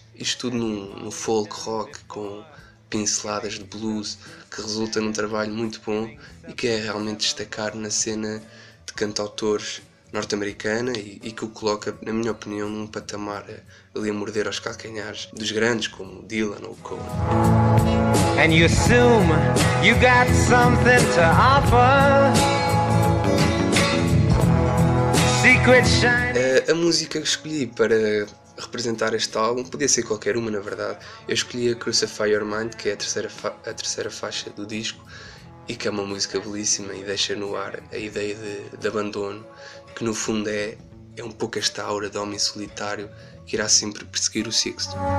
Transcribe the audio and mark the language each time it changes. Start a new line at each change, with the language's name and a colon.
Portuguese: Isto tudo no folk rock com pinceladas de blues, que resulta num trabalho muito bom e que é realmente destacar na cena de cantautores norte-americana e que o coloca, na minha opinião, num patamar ali a morder aos calcanhares dos grandes como Dylan ou Cole.
English: And you assume you got something to offer.
Portuguese: A música que escolhi para representar este álbum, podia ser qualquer uma na verdade, eu escolhi a Crucify Your Mind, que é a terceira faixa do disco e que é uma música belíssima e deixa no ar a ideia de abandono, que no fundo é um pouco esta aura de homem solitário que irá sempre perseguir o Sixto.